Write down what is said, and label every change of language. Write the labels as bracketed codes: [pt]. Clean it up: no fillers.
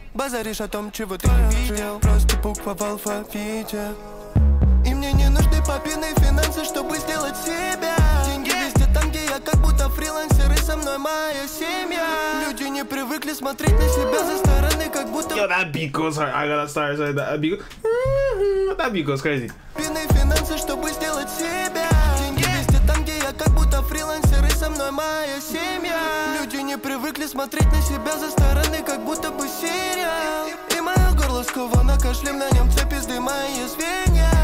[ru] Базаришь о том, чего ты не видел. Просто буква в алфавите. И мне не нужны папины финансы, чтобы сделать себя. Деньги везде там, где я, как будто фрилансер. И со мной моя семья. Люди не привыкли смотреть на себя со стороны, как будто... [en] Yo, that beat goes hard. I gotta start saying that. That beat goes crazy. [ru] Папины финансы, чтобы сделать себя. Деньги везде там, где я, как будто фрилансер. И со мной моя семья. Люди не привыкли смотреть на себя со стороны, как будто бы сериал. И мое горло сковано кашлем, на нем цепи с дыма и звенья.